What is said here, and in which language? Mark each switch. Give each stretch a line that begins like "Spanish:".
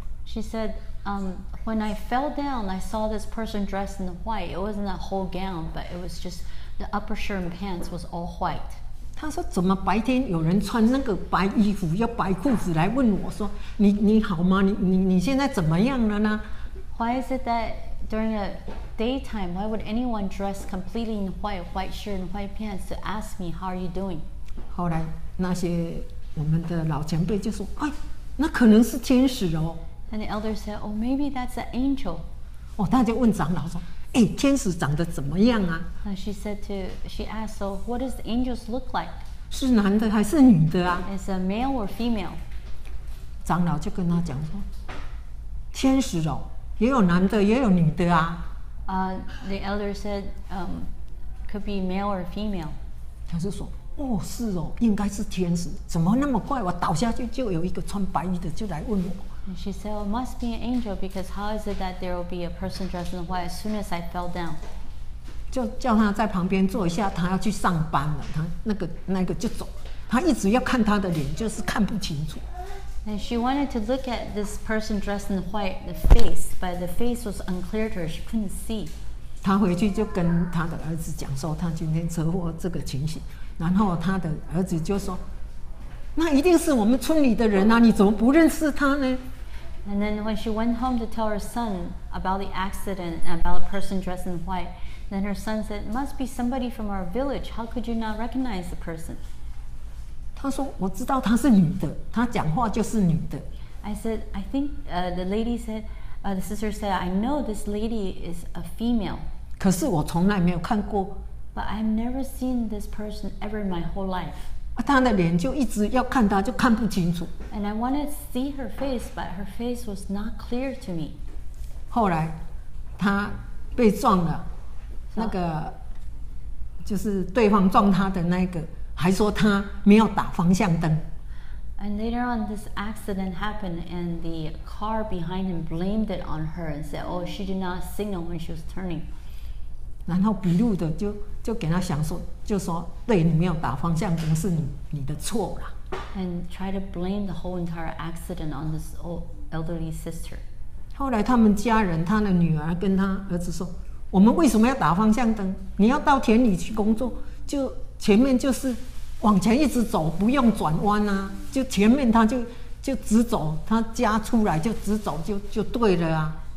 English: She said, when I fell down, I saw this person dressed in white. It wasn't a whole gown, but it was just the upper shirt and pants was all white.
Chinese: 他说：“怎么白天有人穿那个白衣服、要白裤子来问我说，你好吗？你现在怎么样了呢
English: ？”Why is it that during a daytime, why would anyone dress completely in white, white shirt and white pants to ask me how are you doing？
Chinese: 后来那些我们的老前辈就说：“哎，那可能是天使哦。
English: ”And the elder said, "Oh, maybe that's an angel."
Chinese: 哦，他就问长老说。哎，天使长得怎么样啊
English: ？She said to, she asked, "So, what does the angels look like?"
Chinese: 是男的还是女的啊
English: ？Is a male or female?
Chinese: 长老就跟他讲说，天使哦，也有男的，也有女的啊。
English: The elder said, could be male or female.
Chinese: 他就说，哦，是哦，应该是天使，怎么那么怪？我倒下去就有一个穿白衣的就来问我。
English: And she said, "Oh, it must be an angel, because how is it that there will be a person dressed in white as soon as I fell down?"
Chinese: 就叫他在旁边坐一下，他要去上班了。他那个就走了。他一直要看他的脸，就是看不清楚。
English: And she wanted to look at this person dressed in white, the face, but the face was unclear to her. She couldn't see.
Chinese: 他回去就跟他的儿子讲说他今天车祸这个情形，然后他的儿子就说。那一定是我们村里的人啊！你怎么不认识他呢
English: ？And then when she went home to tell her son about the accident and about a person dressed in white, then her son said, "It must be somebody from our village. How could you not recognize the person?"
Chinese: 他说：“我知道她是女的，她讲话就是女的。
English: ”I said, "I think the lady said, the sister said, I know this lady is a female."
Chinese: 可是我从来没有看过。
English: But I've never seen this person ever in my whole life.
Chinese: 他的脸就一直要看他就看不清楚
English: And I wanted to see her face But her face was not clear to me
Chinese: 后来他被撞了那个就是对方撞他的那个还说他没有打方向灯
English: And later on this accident happened And the car behind him blamed it on her And said oh she did not signal when she was turning
Chinese: 然后笔录的就给他想说就说对你没有打方向灯是 你的错啦
English: and try to blame the whole entire accident on this old elderly sister
Chinese: 后来他们家人他的女儿跟他儿子说我们为什么要打方向灯你要到田里去工作就前面就是往前一直走，不用转弯啊，就前面他就直走，他家出来就直走就对了啊。